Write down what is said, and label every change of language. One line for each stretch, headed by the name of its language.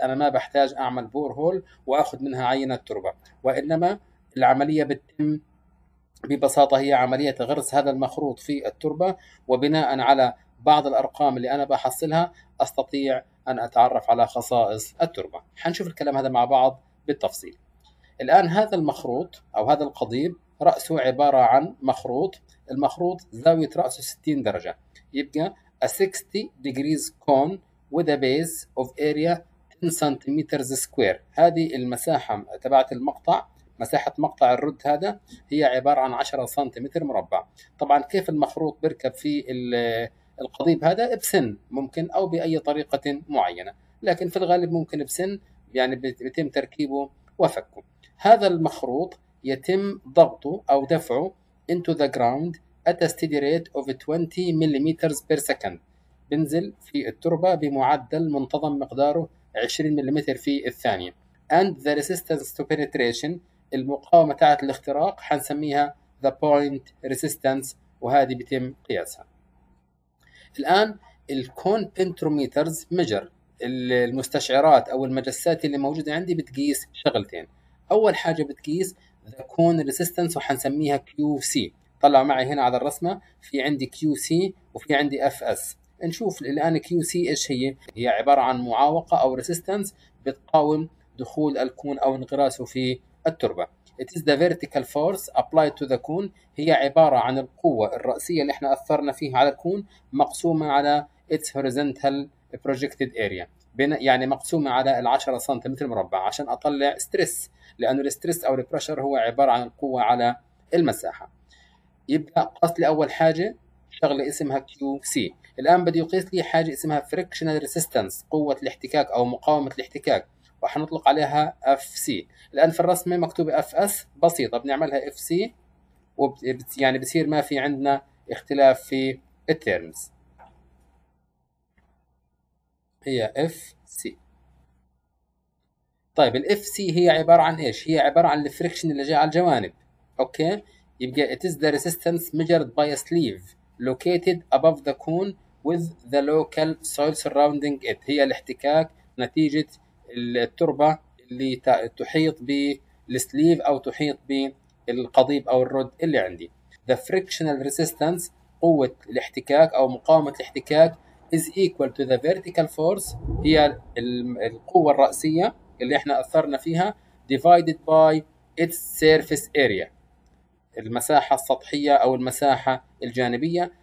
Arabic: انا ما بحتاج اعمل بور هول واخذ منها عينه تربه، وانما العمليه بتتم ببساطة، هي عملية غرس هذا المخروط في التربة، وبناء على بعض الأرقام اللي أنا بحصلها أستطيع أن أتعرف على خصائص التربة. حنشوف الكلام هذا مع بعض بالتفصيل. الآن هذا المخروط أو هذا القضيب رأسه عبارة عن مخروط. المخروط زاوية رأسه 60 درجة، يبقى
English: a 60 degrees cone with a base of area 10 centimeters square.
Arabic: هذه المساحة تبعت المقطع، مساحة مقطع الرد هذا هي عبارة عن 10 سنتيمتر مربع. طبعا كيف المخروط بركب في القضيب هذا؟ بسن ممكن أو بأي طريقة معينة، لكن في الغالب ممكن بسن، يعني بيتم تركيبه وفكه. هذا المخروط يتم ضغطه أو دفعه
English: into the ground at a steady rate of 20 millimeters per second.
Arabic: بنزل في التربة بمعدل منتظم مقداره 20 مليمتر في الثانية.
English: And the resistance to penetration،
Arabic: المقاومة تاعت الاختراق حنسميها
English: the point resistance،
Arabic: وهذه بيتم قياسها. الآن الكون بنتروميترز مجر، المستشعرات أو المجسات اللي موجودة عندي بتقيس شغلتين. أول حاجة بتقيس the cone resistance وحنسميها QC. طلع معي هنا على الرسمة، في عندي QC وفي عندي FS. نشوف الآن QC إيش هي. هي عبارة عن معوقة أو resistance بتقاوم دخول الكون أو انغراسه في التربة.
English: It is the vertical force applied to the cone.
Arabic: هي عبارة عن القوة الرأسية اللي احنا أثرنا فيها على الكون، مقسومة على
English: its horizontal projected area،
Arabic: يعني مقسومة على العشرة سنتيمتر مربع عشان أطلع stress، لأنه الستريس أو البرشر هو عبارة عن القوة على المساحة. يبقى قص لي أول حاجة شغلة اسمها QC. الآن بدي يقيس لي حاجة اسمها frictional resistance، قوة الاحتكاك أو مقاومة الاحتكاك، وحنطلق عليها FC. الآن في الرسمة مكتوبة FS، بسيطة بنعملها FC يعني بصير ما في عندنا اختلاف في الترمز، هي FC. طيب ال FC هي عبارة عن ايش؟ هي عبارة عن الفريكشن اللي جاي على الجوانب.
English: Okay, يبقى it is the resistance measured by a sleeve located above the cone with the local soil surrounding it.
Arabic: هي الاحتكاك نتيجة التربة اللي تحيط بالسليف أو تحيط بالقضيب أو الرد اللي عندي.
English: The frictional resistance،
Arabic: قوة الاحتكاك أو مقاومة الاحتكاك،
English: is equal to the vertical force،
Arabic: هي القوة الرأسية اللي احنا أثرنا فيها،
English: divided by its surface area،
Arabic: المساحة السطحية أو المساحة الجانبية.